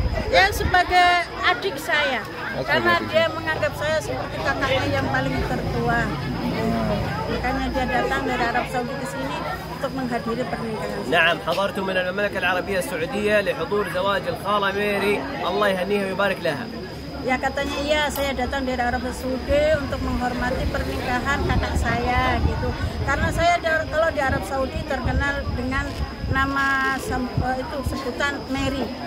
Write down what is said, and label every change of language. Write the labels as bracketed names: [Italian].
[Indonesian] Ya sebagai adik saya, oh, karena adik. Dia menganggap saya seperti kakaknya yang paling tertua. Makanya dia datang dari Arab Saudi ke sini untuk menghadiri pernikahan. [Arabic] نعم حضرت من المملكة العربية السعودية لحضور زواج الخالة ميري الله يهنيها ويبارك لها. [Indonesian] Ya katanya iya, saya datang dari Arab Saudi untuk menghormati pernikahan kakak saya gitu. Karena saya kalau di Arab Saudi terkenal dengan nama itu sebutan Mary.